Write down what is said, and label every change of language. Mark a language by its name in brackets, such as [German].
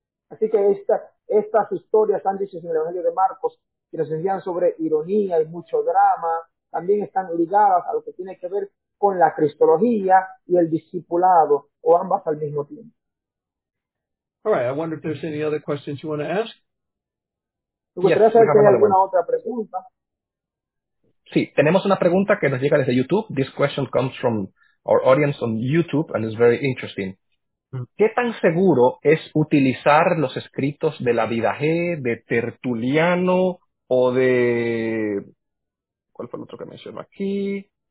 [Spanish] Así que estas historias están dichas en el Evangelio de Marcos, que nos enseñan sobre ironía y mucho drama, también están ligadas a lo que tiene que ver con la cristología y el discipulado, o ambas al mismo tiempo. [English] All right, I wonder if there's any other questions you want to ask. [Spanish] ¿Te gustaría saber si hay alguna otra pregunta? Sí, tenemos una pregunta que nos llega desde YouTube. [English] This question comes from our audience on YouTube, and it's very interesting. [Spanish] ¿Qué tan seguro es utilizar los escritos de la Vida G, de Tertuliano, o de, ¿cuál fue el otro que mencionó aquí?